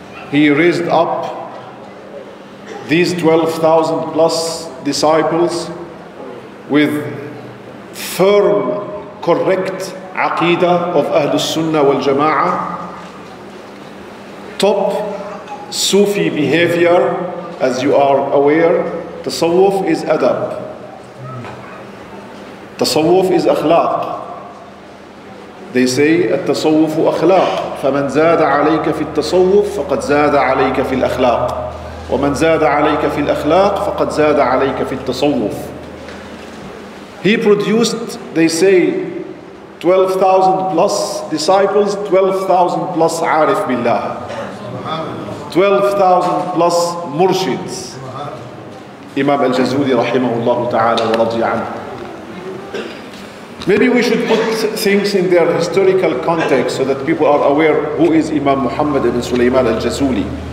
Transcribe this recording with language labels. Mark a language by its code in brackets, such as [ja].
[en] He raised up these 12,000 plus disciples with firm, correct aqidah of Ahlus Sunnah wal Jama'ah, top Sufi behavior, as you are aware. Tasawwuf is adab, tasawwuf is akhlaq. They say, [ar] التصوف أخلاق. فمن زاد عليك في التصوف فقد زاد عليك في الأخلاق. ومن زاد عليك في الأخلاق فقد زاد عليك في التصوف. [en] He produced, they say, 12,000 plus disciples, 12,000 plus arif billah, 12,000 plus murshids. Imam al-Jazuli rahimahullah ta'ala wa radiya anhu. Maybe we should put things in their historical context so that people are aware who is Imam Muhammad ibn Sulaiman al-Jazuli.